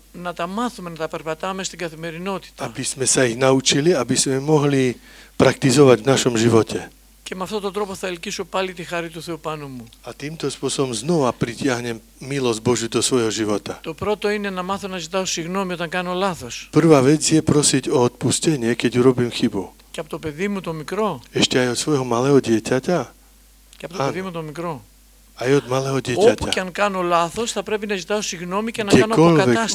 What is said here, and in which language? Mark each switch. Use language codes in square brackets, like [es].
[el] Να τα μάθουμε, να τα περπατάμε στην καθημερινότητα. [sk] Aby sme sa ich naučili, aby sme mohli praktizovať v našom živote. [el] Και με αυτόν τον τρόπο θα ελκύσω πάλι τη χάρη του Θεού πάνω μου. [sk] A týmto spôsobom znova pritiahnem milosť Božiu do svojho života. [el] Το πρώτο είναι να μάθω να ζητάω συγγνώμη όταν κάνω λάθος. [sk] Prvá vec je prosiť o odpustenie, keď urobím chybu. [el] Και από το παιδί μου το μικρό. [sk] Ešte aj od svojho malého dieťaťa. [el] Και από το παιδί μου το μικρό. [sk] Aj od malého dieťaťa. [el] Όπου και αν κάνω λάθος, θα πρέπει να ζητάω συγγνώμη και να κάνω αποκατάσταση.